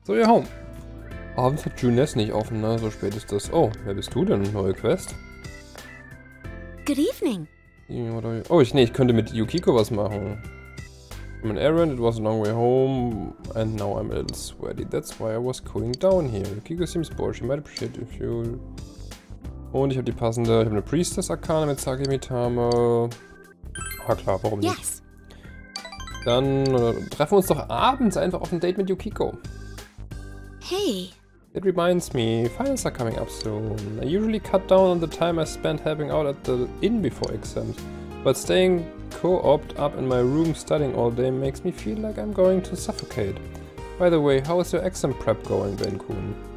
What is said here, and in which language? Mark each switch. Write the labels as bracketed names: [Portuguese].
[English] So, you're home. [German] Abends hat Juness nicht offen, ne? So spät ist das. Oh, wer bist du denn? Neue Quest? [English] Good evening. [German] Oh, ich könnte mit Yukiko was machen. [English] I'm an errand, it was a long way home, and now I'm a little sweaty. That's why I was cooling down here. Yukiko seems bored, she might appreciate if you... [German] Und ich habe die passende, ich habe eine Priestess Arcana mit Sagemitame. Ah klar, warum nicht? [English] Yes. [German] Dann treffen wir uns doch abends einfach auf ein Date mit Yukiko. [English] Hey. It reminds me, finals are coming up soon. I usually cut down on the time I spend helping out at the inn before exams. But staying co-opt up in my room studying all day makes me feel like I'm going to suffocate. By the way, how is your exam prep going, Ben-Kun?